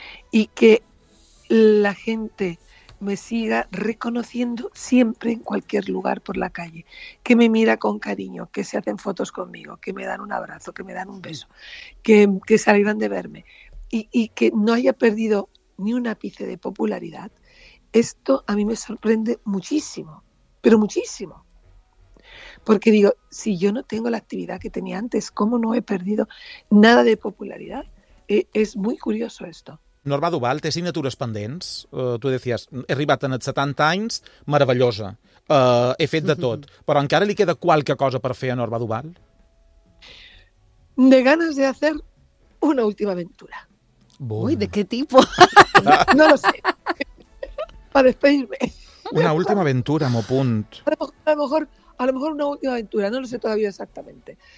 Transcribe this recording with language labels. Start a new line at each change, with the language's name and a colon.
Spanish: y que la gente me siga reconociendo siempre en cualquier lugar por la calle, que me mira con cariño, que se hacen fotos conmigo, que me dan un abrazo, que me dan un beso, que se alegran de verme y que no haya perdido ni un ápice de popularidad, esto a mí me sorprende muchísimo, pero muchísimo. Porque digo, si yo no tengo la actividad que tenía antes, ¿cómo no he perdido nada de popularidad? Es muy curioso esto.
Catalan: Norma Duval, té signatures pendents. Tu decías, he arribat en els 70 anys, maravillosa, he fet de tot. Però encara li queda qualque cosa per fer a Norma Duval?
Spanish: De ganas de hacer una última aventura. Bueno. Uy, ¿de qué tipo? No lo sé. Para despedirme. Una última aventura, Mopunt. A lo mejor una última aventura, no lo sé todavía exactamente.